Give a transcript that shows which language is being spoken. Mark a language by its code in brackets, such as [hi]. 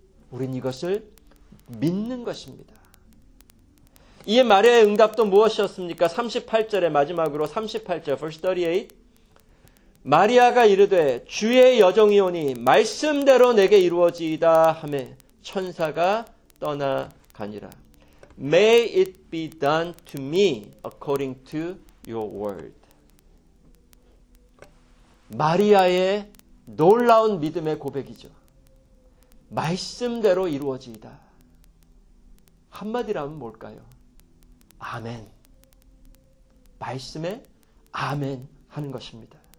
[ko] 우린 이것을 믿는 것입니다. 이에 마리아의 응답도 무엇이었습니까? 38절의 마지막으로 38절, verse 38. 마리아가 이르되 주의 여종이오니 말씀대로 내게 이루어지이다 하매 천사가 떠나가니라. [en] May it be done to me according to your word. [ko] 마리아의 놀라운 믿음의 고백이죠. 말씀대로 이루어지이다. 한마디라면 뭘까요? 아멘. 말씀에 아멘 하는 것입니다.